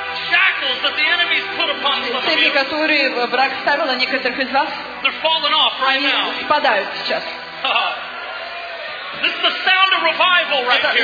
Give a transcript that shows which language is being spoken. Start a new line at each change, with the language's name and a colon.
English: Shackles that the enemy's put upon some of you.
Russian: Цепи, которые враг ставил на некоторых из вас.
English: They're falling off right now.
Russian: Они спадают сейчас.
English: This is the sound of revival right here.